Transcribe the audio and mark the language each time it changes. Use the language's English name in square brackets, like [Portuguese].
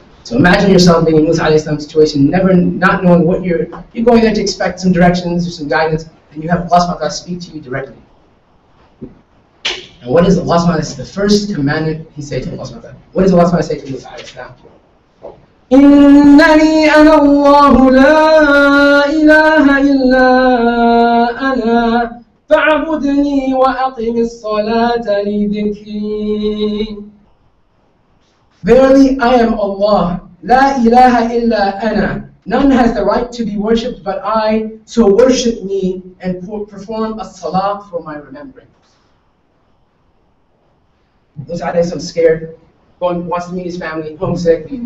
[English] So imagine yourself being in Musa alayhi salam's situation, never not knowing what you're going there to expect some directions or some guidance, and you have Allah subhanahu wa ta'ala speak to you directly. And what is Allah subhanahu wa ta'ala, this is the first commandment he said to Allah subhanahu wa ta'ala. What does Allah subhanahu wa ta'ala say to Musa alayhi salam? [Arabic] إنني أنا الله لا إله إلا أنا فاعبدني وأقم الصلاة لذكري. [English] Verily I am Allah, [Arabic] لا إله إلا أنا. [English] None has the right to be worshipped but I, so worship me and perform a salah for my remembrance. Musa alayhi salam scared. Wants to meet his family, homesick.